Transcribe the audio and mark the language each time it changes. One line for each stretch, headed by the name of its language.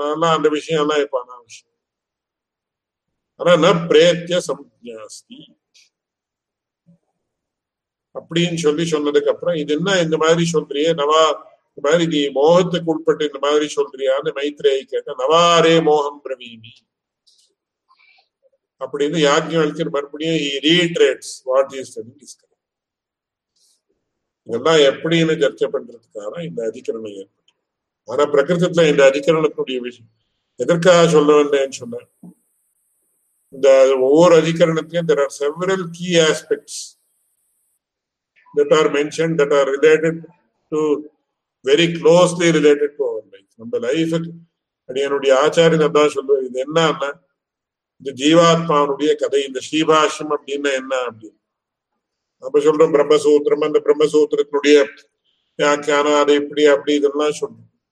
Tamil: அதெல்லாம் அந்த விஷயம் எல்லாம் இப்ப அனாவசியம். ஆனா
Sanskrit: ந பிரேத்ய சம்ஞாஸ்தி
Tamil: அப்படின்னு சொல்லி சொன்னதுக்கு அப்புறம், இது என்ன இந்த மாதிரி சொல்றியே நவா, இந்த மாதிரி நீ மோகத்துக்கு உட்பட்டு இந்த மாதிரி சொல்றியான்னு மைத்ரேயை கேட்ட,
Sanskrit: நவாரே மோகம் பிரவீமி
Tamil: அப்படின்னு யாஜ்ஞவல்க்யர் மறுபடியும்
English: Reiterates what is study discussion.
Tamil: இதெல்லாம் எப்படின்னு சர்ச்சை பண்றதுக்காக இந்த அதிகரணம் ஏற்பட்டு. ஆனா பிரகிருத்தில இந்த அதிகரணத்துடைய விஷயம் எதற்காக சொல்ல வந்தேன்னு சொன்ன, இந்த ஒவ்வொரு அதிகரணத்திலையும்
English: There are several key aspects that are mentioned that are related to, very closely related to our life.
Tamil: நம்ம லைஃப் அடியனுடைய ஆச்சாரியன் அதான் சொல்றது, இது என்னன்னா இந்த ஜீவாத்மாவுடைய கதை, இந்த ஸ்ரீபாஷ்யம் அப்படின்னா என்ன அப்படின்னு நம்ம சொல்றோம். பிரம்மசூத்திரம், அந்த பிரம்மசூத்திரத்தினுடைய வியாக்கியானம், அது இப்படி அப்படி இதெல்லாம் சொல்றோம்.